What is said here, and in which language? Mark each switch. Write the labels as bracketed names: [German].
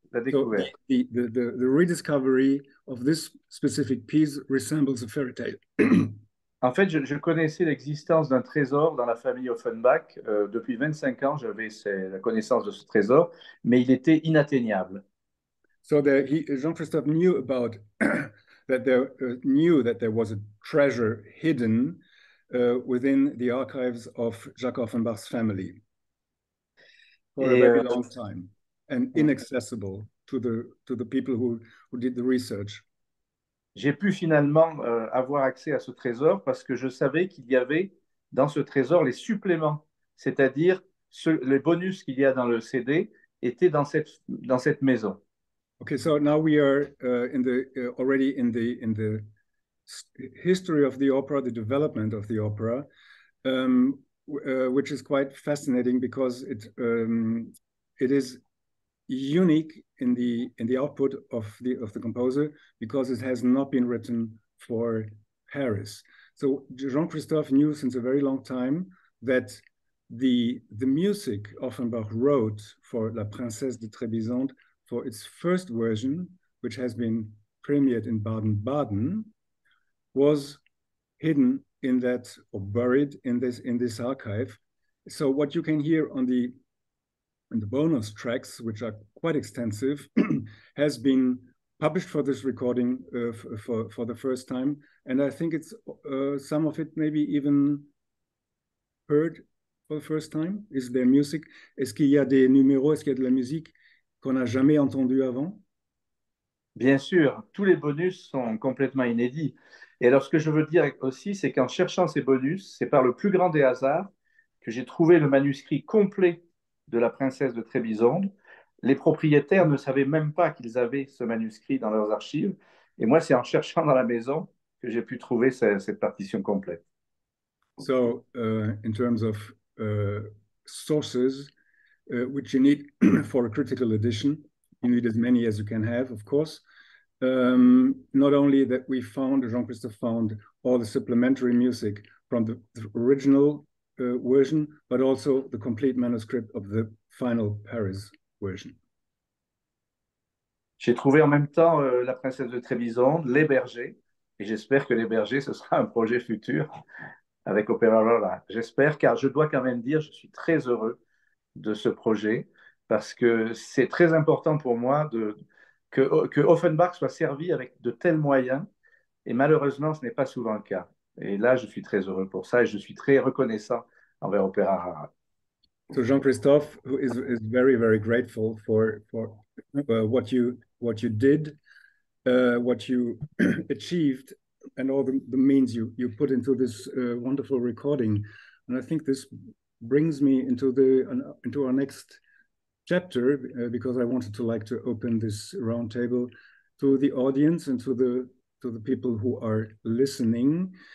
[English] So the rediscovery of this specific piece resembles a fairy tale. [French] En fait, je connaissais l'existence d'un trésor dans la famille Offenbach. Depuis 25 ans, j'avais la connaissance de ce trésor, mais il était inatteignable. [English] So Jean-Christophe knew about that there was a treasure hidden within the archives of Jacques Offenbach's family. For a very long time, and inaccessible to the people who did the research. [French] J'ai pu finalement avoir accès à ce trésor parce que je savais qu'il y avait dans ce trésor les suppléments, c'est-à-dire les bonus qu'il y a dans le CD étaient dans cette maison. [English] Okay, so now we are already in the history of the opera, the development of the opera. Which is quite fascinating because it is unique in the output of the composer, because it has not been written for Paris. So Jean-Christophe knew since a very long time that the music Offenbach wrote for La Princesse de Trébizonde for its first version, which has been premiered in Baden-Baden, was hidden in that, or buried in this archive. So what you can hear on the and the bonus tracks, which are quite extensive, has been published for this recording for the first time. And I think it's some of it maybe even heard for the first time. Is there music? [French] Est-ce qu'il y a des numéros? Est-ce qu'il y a de la musique qu'on n'a jamais entendu avant? Bien sûr, tous les bonus sont complètement inédits. Et alors, ce que je veux dire aussi, c'est qu'en cherchant ces bonus, c'est par le plus grand des hasards que j'ai trouvé le manuscrit complet de la princesse de Trébizonde. Les propriétaires ne savaient même pas qu'ils avaient ce manuscrit dans leurs archives. Et moi, c'est en cherchant dans la maison que j'ai pu trouver cette partition complète. [English] So, in terms of sources, which you need for a critical edition, you need as many as you can have, of course. Not only that we found, Jean-Christophe found, all the supplementary music from the original version, but also the complete manuscript of the final Paris version. [French] J'ai trouvé en même temps la princesse de Trébizonde, les bergers, et j'espère que les bergers, ce sera un projet futur avec Opéra Rara. J'espère, car je dois quand même dire, je suis très heureux de ce projet, parce que c'est très important pour moi que Offenbach soit servi avec de tels moyens, et malheureusement, ce n'est pas souvent le cas. Et là, je suis très heureux pour ça et je suis très reconnaissant envers Opéra Rara. [English] So Jean-Christophe is very, very grateful for what you did, what you achieved, and all the means you put into this wonderful recording. And I think this brings me into our next chapter, because I wanted to like to open this round table to the audience and to the people who are listening.